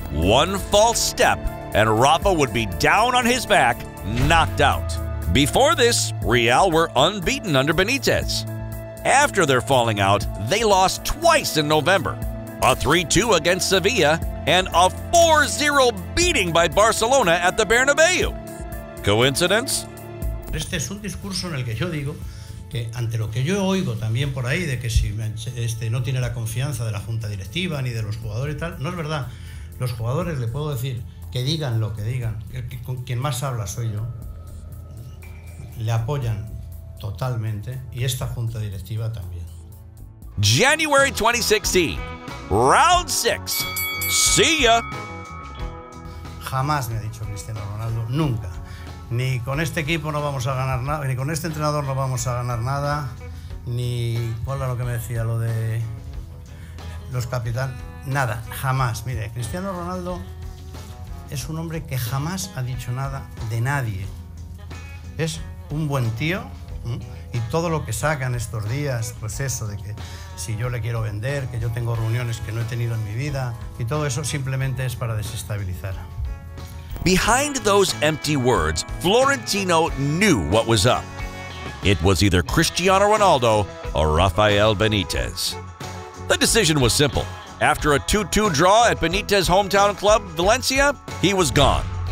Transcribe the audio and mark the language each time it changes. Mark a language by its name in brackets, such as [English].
[English] One false step and Rafa would be down on his back, knocked out. Before this, Real were unbeaten under Benitez. After their falling out, they lost twice in November. A 3-2 against Sevilla and a 4-0 beating by Barcelona at the Bernabeu. Coincidence? [Spanish] Este es un discurso en el que yo digo que ante lo que yo oigo también por ahí de que si no tiene la confianza de la junta directiva ni de los jugadores y tal, no es verdad. Los jugadores, le puedo decir, que digan lo que digan. Con quien más habla soy yo. Le apoyan totalmente y esta junta directiva también. [English] January 2016. Round 6. See ya. [Spanish] Jamás me ha dicho Cristiano Ronaldo, nunca. Ni con este equipo no vamos a ganar nada, ni con este entrenador no vamos a ganar nada, ni cuál era lo que me decía, lo de los capitán, nada, jamás. Mire, Cristiano Ronaldo es un hombre que jamás ha dicho nada de nadie. Es un buen tío, ¿eh? Y todo lo que sacan estos días, pues eso de que si yo le quiero vender, que yo tengo reuniones que no he tenido en mi vida, y todo eso simplemente es para desestabilizar. [English] Behind those empty words, Florentino knew what was up. It was either Cristiano Ronaldo or Rafael Benitez. The decision was simple. After a 2-2 draw at Benitez's hometown club, Valencia, he was gone.